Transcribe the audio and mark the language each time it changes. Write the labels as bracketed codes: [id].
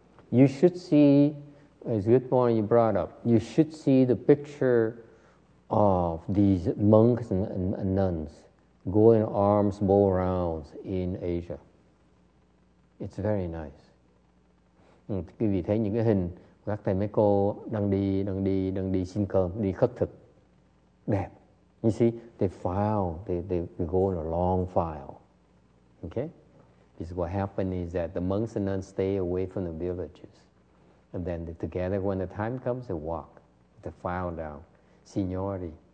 [en] You should see, it's a good point you brought up, you should see the picture of these monks and nuns going arms bow around in Asia. It's very nice. [vi] Quý vị thấy những cái hình các thầy mấy cô đang đi xin cơm, đi khất thực. Đẹp. [en] You see, they go in a long file. Okay? This is what happened is that the monks and nuns stay away from the villages. And then they, together, when the time comes, they walk. They file down. Seniority.